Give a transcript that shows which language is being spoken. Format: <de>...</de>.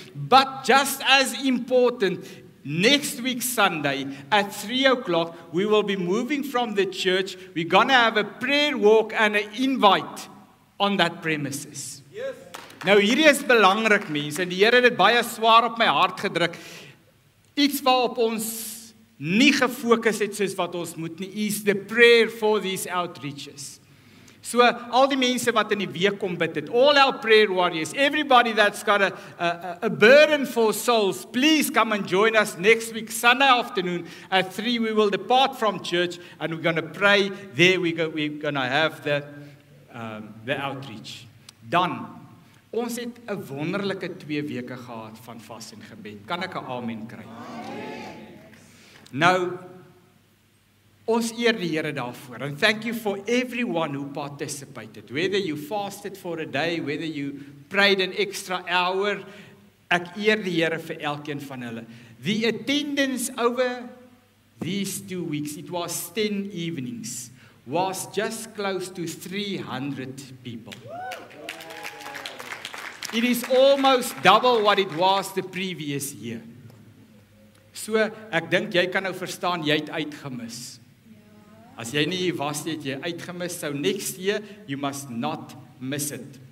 <en>But just as important, next week Sunday at 3 o'clock, we will be moving from the church. We're going to have a prayer walk and an invite on that premises.</en> <af>Yes. Nou, hierdie is belangrik, mense. En die Here het dit baie swaar op my hart gedruk. Iets waarop ons nie gefokus het soos wat ons moet nie.</af> <en>Is the prayer for these outreaches. So,</en> <af>al die mense wat in die week kom bid het,</af> <en>all our prayer warriors, everybody that's got a burden for souls, please come and join us next week, Sunday afternoon, at 3, we will depart from church, and we're going to pray, there we're going to have the outreach.</en> <af>Dan, ons het 'n wonderlike 2 weke gehad van vas en gebed. Kan ek 'n amen kry? Amen. Nou, ons eer die Here daarvoor.</af> <en>And thank you for everyone who participated. Whether you fasted for a day, whether you prayed an extra hour,</en> <af>ek eer die Here vir elkeen van hulle.</af> <en>The attendance over these 2 weeks, it was 10 evenings, was just close to 300 people. It is almost double what it was the previous year.</en> <af>So, ek dink jy kan nou verstaan, jy het uitgemis. As jy nie was, het jy uitgemis,</af> <en>so next year, you must not miss it.</en>